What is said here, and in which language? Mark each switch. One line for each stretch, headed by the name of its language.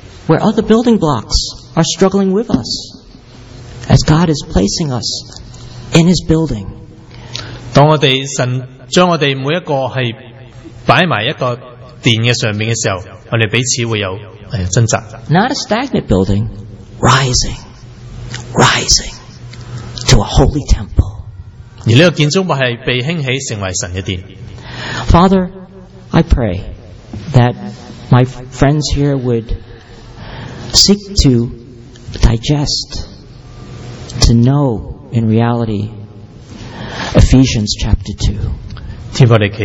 English: Where other building blocks are struggling with us. As God is placing us in His building.
Chinese: 当我们神将我们每一个是摆在一个殿的上面的时候，我们彼此会有挣扎。
English: Not a stagnant building, rising, rising to a holy temple.
Chinese: 而这个建筑物是被兴起成为神的殿。
English: Father, I pray that my friends here would seek to digest, to know in reality Ephesians chapter 2.